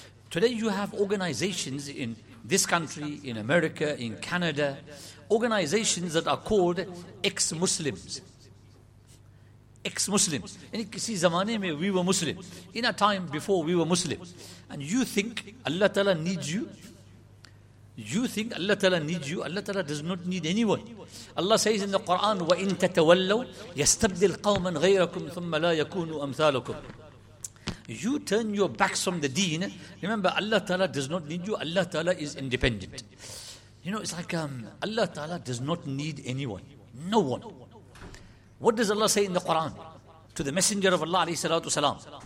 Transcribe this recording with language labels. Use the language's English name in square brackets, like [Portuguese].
[English] Today you have organizations in this country, in America, in Canada, organizations that are called ex-Muslims. Ex-Muslims. [Urdu] In kisi zamane mein [English] we were Muslim. In a time before we were Muslim. And you think Allah Ta'ala needs you? You think Allah Ta'ala needs you? Allah Ta'ala does not need anyone. Allah says in the Quran, [Arabic] وَإِنْ تَتَوَلَّوْا يَسْتَبْدِلْ قَوْمًا غَيْرَكُمْ ثُمَّ لَا يَكُونُوا أَمْثَالُكُمْ. [English] You turn your backs from the deen. Remember, Allah Ta'ala does not need you. Allah Ta'ala is independent. You know, it's like Allah Ta'ala does not need anyone. No one. What does Allah say in the Quran to the Messenger of Allah alayhi salatu salam?